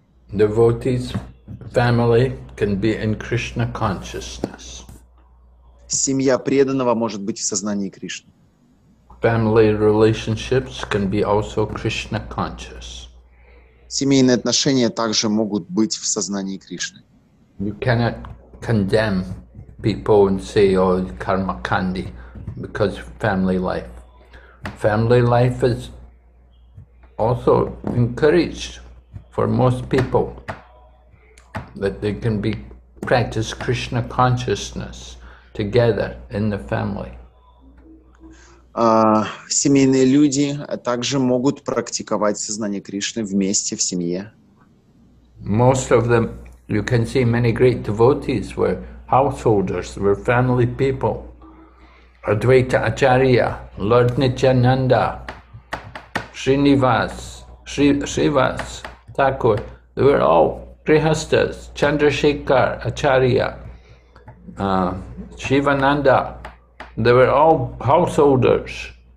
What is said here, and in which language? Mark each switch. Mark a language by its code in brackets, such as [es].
[en] Devotees' family can be in Krishna consciousness. [ru] Семья преданного может быть в сознании Кришны. [en] Family relationships can be also Krishna conscious. [ru] Семейные отношения также могут быть в сознании Кришны. [en] You cannot condemn people and say, "Oh, karma kandi," because family life. Family life is also encouraged. For most people, that they can be practice Krishna consciousness together in the family. [ru] Семейные люди также могут практиковать сознание Кришны вместе в семье. [en] Most of them, you can see many great devotees were householders, were family people. Advaita Acharya, Lord Nityananda, Srivas. Thakur, they were all Grihasthas, Chandrasekhar, Acharya, Shivananda, they were all householders.